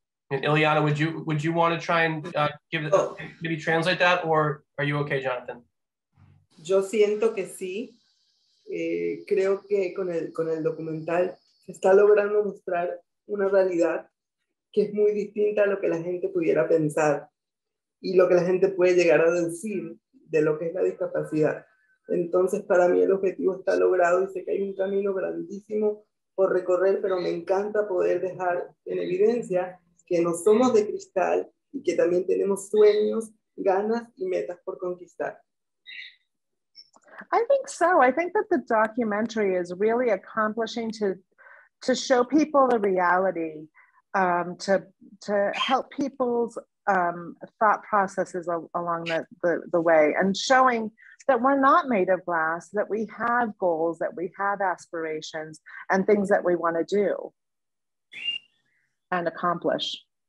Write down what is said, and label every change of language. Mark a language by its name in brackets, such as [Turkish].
[English] And Ileana, would you want to try and maybe translate that, or are you okay, Jonathan? [Spanish] Yo siento que sí. Creo que con el documental se está logrando mostrar una realidad que es muy distinta a lo que la gente pudiera pensar y lo que la gente puede llegar a decir de lo que es la discapacidad. Entonces, para mí el objetivo está logrado y sé que hay un camino grandísimo por recorrer, pero me encanta poder dejar en evidencia que no somos de cristal y que también tenemos sueños, ganas y metas por conquistar. [English] I think so. I think that the documentary is really accomplishing to show people the reality, to help people's thought processes along the way, and showing that we're not made of glass, that we have goals, that we have aspirations and things that we want to do and accomplish.